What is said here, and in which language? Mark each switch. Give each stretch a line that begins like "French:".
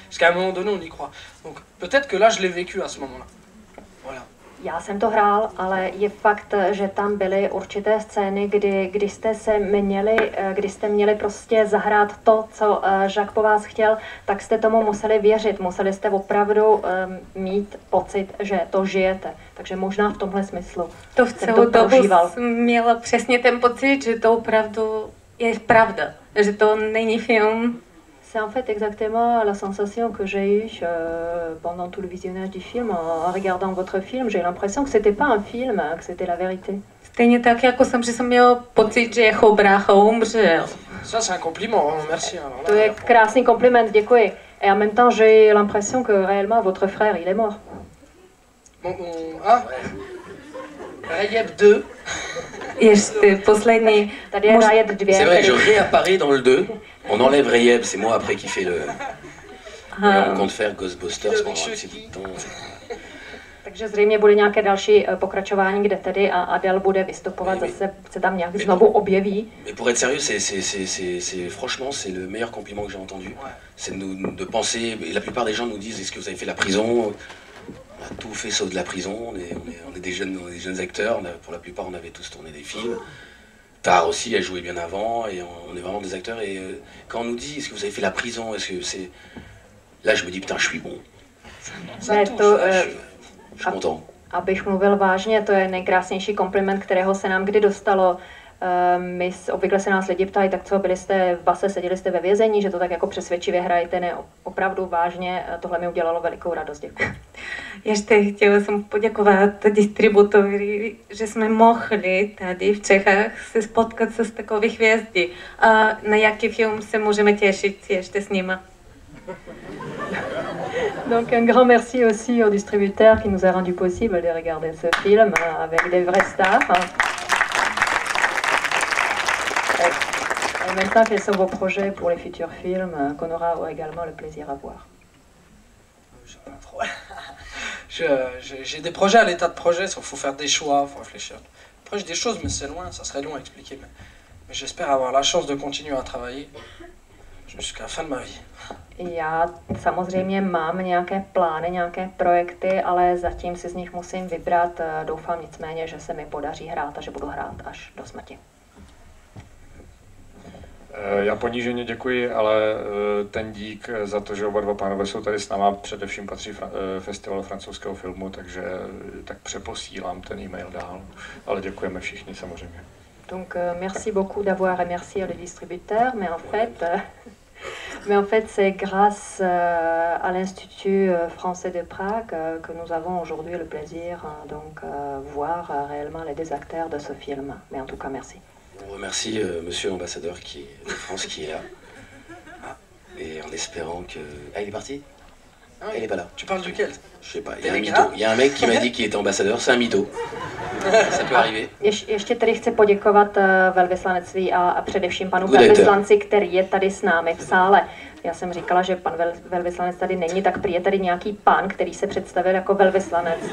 French: Parce qu'à un moment donné, on y croit. Donc peut-être que là, je l'ai vécu à ce moment-là. Voilà.
Czech: Já jsem to hrál, ale je fakt, že tam byly určité scény, kdy jste se měli, kdy jste měli prostě zahrát to, co Jacques po vás chtěl, tak jste tomu museli věřit, museli jste opravdu mít pocit, že to žijete. Takže možná v tomhle smyslu. To v celou dobu měla přesně ten pocit, že to opravdu je pravda, že to není film.
French: C'est en fait exactement la sensation que j'ai eue pendant tout le visionnage du film. En regardant votre film, j'ai l'impression que c'était pas un film, que c'était la vérité.
Czech: Stejně tak, jako jsem, že jsem měl pocit, že jeho brácha umřel.
French: Ça, c'est un compliment, merci.
Czech: To je krásný compliment, děkuji.
French: Et en même temps, j'ai l'impression que réellement votre frère, il est mort.
Czech: Rajeb 2. Ještě poslední. Tady je Rajeb 2.
French: C'est vrai, je réapparais dans le 2. On enlève Rayeb, c'est moi après qui fais le... on compte faire Ghostbusters pendant un petit bout de temps.
Czech: Takže zřejmě bude nějaké další pokračování, kde tedy Adele bude vystupovat, zase se tam nějak znovu objeví.
French: Mais pour être sérieux, c'est franchement, c'est le meilleur compliment que j'ai entendu. C'est de penser, la plupart des gens nous disent, est-ce que vous avez fait la prison? On a tout fait sauf de la prison, on est des jeunes acteurs, pour la plupart on avait tous tourné des films. Tard aussi, elle jouait bien avant, et on est vraiment des acteurs, et quand on nous dit, est-ce que vous avez fait la prison, est-ce que c'est... Là, je me dis, putain, je suis bon. Je suis content.
Czech: Abych mluvil vážně, to je nejkrásnější kompliment, kterého se nám kdy dostalo. Obvykle se nás lidi ptají, tak co, byli jste v base, seděli jste ve vězení, že to tak jako přesvědčivě hrajete, ne, opravdu vážně, tohle mi udělalo velikou radost, děkuji. Ještě chtěla jsem poděkovat distributorovi, že jsme mohli tady v Čechách se spotkat se s takovými hvězdy. A na jaký film se můžeme těšit ještě s nima?
French: Donc un grand merci aussi au distributeur qui nous a rendu possible de regarder ce film avec des vrais stars. Maintenant, quels sont vos projets pour les futurs films qu'on aura également le plaisir à voir? J'ai des projets à l'état de projet, il faut faire des choix, il faut réfléchir. Après, j'ai des choses, mais c'est loin, ça serait long à expliquer. Mais j'espère avoir la chance de continuer à travailler jusqu'à la fin de ma vie.
Czech: Já samozřejmě mám nějaké plány, nějaké projekty, ale zatím si z nich musím vybrat. Doufám nicméně, že se mi podaří hrát a že budu hrát až do smrti. Já poníženě děkuji, ale ten dík za to, že oba dva pánové jsou tady s náma, především patří Festivalu francouzského filmu, takže tak přeposílám ten e-mail dál, ale děkujeme všichni samozřejmě.
French: Donc merci beaucoup d'avoir remercié le distributeur, mais en fait c'est grâce à l'Institut français de Prague que nous avons aujourd'hui le plaisir donc voir réellement les deux acteurs de ce film. Mais en tout cas merci. On remercie monsieur l'ambassadeur qui est de France qui est là. Et en espérant que. Ah, il est parti? Ah oui. Il est pas là. Tu parles duquel? Je sais pas. Il y a un mec qui m'a dit qu'il était ambassadeur, c'est un mytho. Ça peut arriver.
Czech: Ještě tedy chci poděkovat velvyslanectví a především panu velvyslanci, který je tady s námi v sále. Já jsem říkala, že pan velvyslanec tady není, tak prý je tady nějaký pán, který se představil jako velvyslanec.